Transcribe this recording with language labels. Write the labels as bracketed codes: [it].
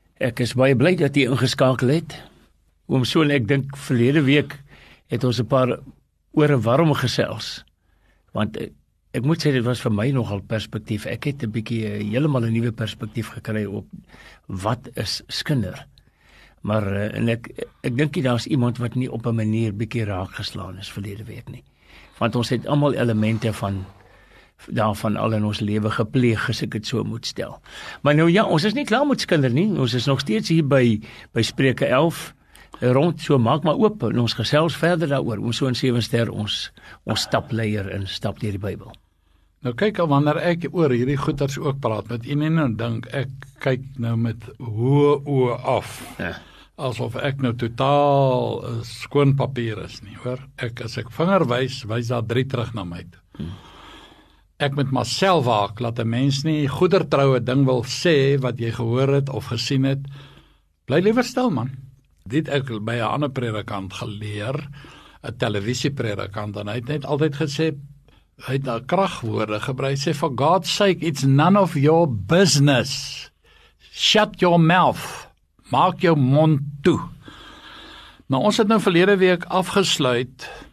[af] Ek is baie bly dat jy ingeskakel het. Oom Soon, ek dink verlede week het ons 'n paar ore warm gesels. Want ek moet sê, dit was vir my nogal perspektief. Ek het 'n bietjie heeltemal 'n nuwe perspektief gekry op wat is skinder. Maar en ek dink jy daar's iemand wat nie op 'n manier bietjie raak geslaan is verlede week nie. Want ons het almal elemente van daarvan al in ons lewe gepleeg, as ek het so moet stel. Maar nou ja, ons is nie klaar met skinder nie. Ons is nog steeds hier by Spreuke 11 rond, so maak maar oop en ons gesels verder daaroor. Oom Soon Zevenster, ons stapleier en stap deur die Bybel. Nou kyk al, wanneer ek oor hierdie goeders ook praat, wat jy nie nou dink, ek kyk nou met hoë oë af. Ja. Alsof ek nou totaal skoon papier is nie, hoor. Ek, as ek vinger wys, wys daar 3 terug na my toe. Ek moet myself waak, laat 'n mens nie goedertroue ding wil sê wat jy gehoor het of gesien het. Bly liever stil, man. Dit ek by 'n ander predikant geleer, 'n televisiepredikant, en hy het net altyd gesê, hy het daar kragwoorde gebruik, sê, [en] for God's sake, it's none of your business. Shut your mouth. [af] Maak jou mond toe. Maar ons het nou verlede week afgesluit.